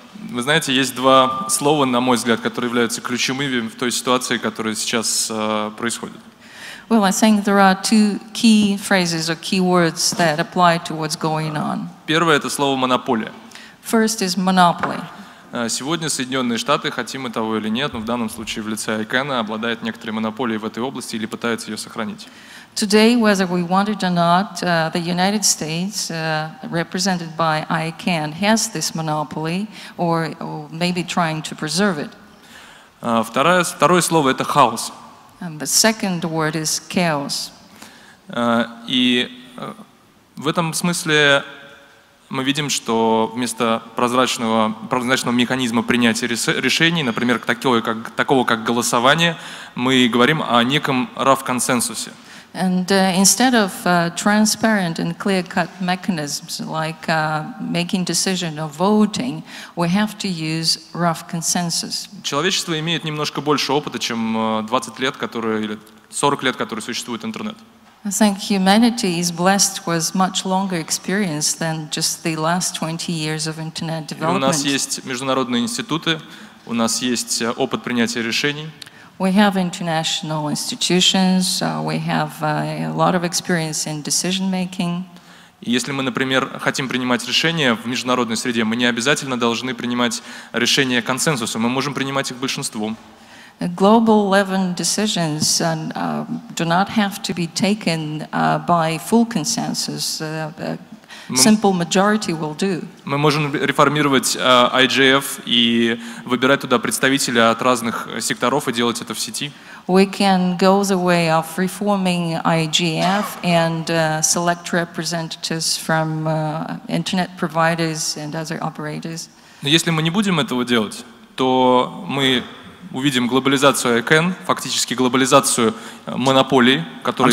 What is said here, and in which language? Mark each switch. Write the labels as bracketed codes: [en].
[ru] Вы знаете, есть два слова, на мой взгляд, которые являются ключевыми в той ситуации, которая сейчас происходит. [en] Well, I think there are two key phrases or key words that apply to what's going on. [ru] Первое – это слово «монополия». [en] First is monopoly. [ru] Сегодня Соединенные Штаты, хотим мы того или нет, но в данном случае в лице ICANN, обладают некоторой монополией в этой области или пытаются ее сохранить. [en] Today, whether we want it or not, the United States, represented by ICANN, has this monopoly or maybe trying to preserve it. [ru] Второе слово – это хаос. [en] And the second word is chaos. [ru] И в этом смысле мы видим, что вместо прозрачного механизма принятия решений, например, такого как голосование, мы говорим о неком RAF-консенсусе. [en] And instead of transparent and clear-cut mechanisms like making decision or voting, we have to use rough consensus. [ru] Человечество имеет немножко больше опыта, чем 20 лет, или 40 лет, которые существует интернет. [en] I think humanity is blessed with much longer experience than just the last 20 years of internet development. [ru] У нас есть международные институты, у нас есть опыт принятия решений. [en] We have international institutions, we have a lot of experience in decision making. [ru] Если мы, например, хотим принимать решения в международной среде, мы не обязательно должны принимать решения консенсусом, мы можем принимать их большинством. [en] Global level decisions do not have to be taken by full consensus. Simple majority will do. [ru] Мы можем реформировать IGF и выбирать туда представителей от разных секторов и делать это в сети. [en] We can go the way of reforming IGF and select representatives from internet providers and other operators. [ru] Но если мы не будем этого делать, то мы увидим глобализацию ICANN, фактически глобализацию монополий, которые